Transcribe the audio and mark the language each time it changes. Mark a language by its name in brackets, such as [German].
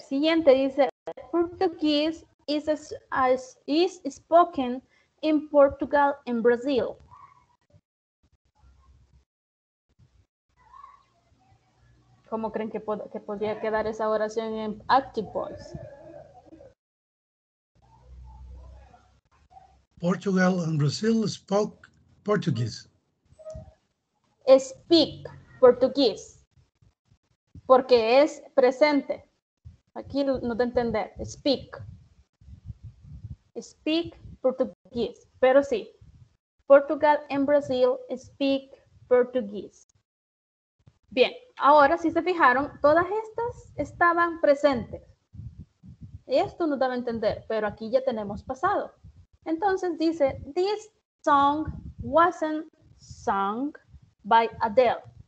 [Spanish] Siguiente dice, [English] Portuguese is spoken in Portugal and Brazil. [Spanish] ¿Cómo creen que podría quedar esa oración en active voice? [English] Portugal and Brazil spoke Portuguese. Speak Portuguese. [Spanish] Porque es presente. Aquí no te entender. [English] Speak Portuguese, [Spanish] pero sí, [English] Portugal and Brazil speak Portuguese. [Spanish] Bien, ahora si se fijaron, todas estas estaban presentes. Esto no daba a entender, pero aquí ya tenemos pasado. Entonces dice, [English] this song wasn't sung by Adele.